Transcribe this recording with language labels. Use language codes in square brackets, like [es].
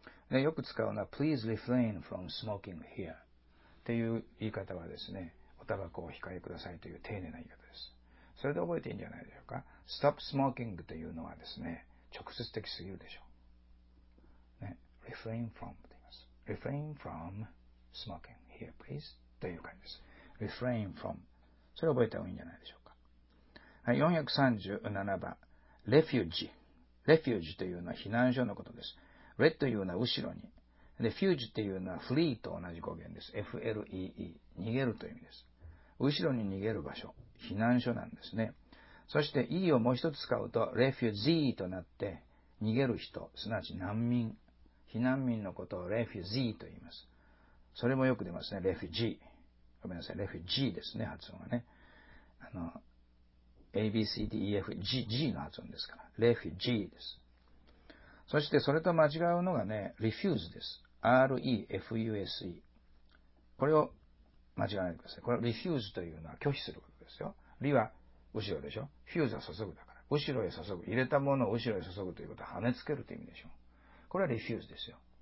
[ja] で、よく使うのは、 [en] please refrain from smoking here [ja] っていう言い方はですね、おタバコを控えくださいという丁寧な言い方です。それで覚えていいんじゃないでしょうか。 [en] stop smoking [ja] というのはですね、直接的すぎるでしょう。ね、refrain from。 [en] Refrain from smoking here, please. [ja] という感じです。Refrain from. それを覚えた方がいいんじゃないでしょうか。はい、437番。Refuge。 Refuge というのは避難所のことです。Re というのは後ろに。 Refuge というのは flee と同じ語源です。 F-L-E-E。逃げるという意味です。後ろに逃げる場所。避難所なんですね。そして E をもう一つ使うと Refugee となって逃げる人、すなわち難民。避難民のことをレフュジーと言います。それもよく出ますね。レフュジー。ごめんなさい。レフュジーですね。発音はね。 A, B, C, D, E, F, G, G の発音ですから。レフュジーです。そして、それと間違うのがね、リフューズです。 R-E-F-U-S-E。これを間違わないでください。これ、リフューズというのは拒否することですよ。リは後ろでしょ。フューズは注ぐだから。後ろへ注ぐ。入れたものを後ろへ注ぐということは、跳ねつけるという意味でしょ。これはリフューズですよ。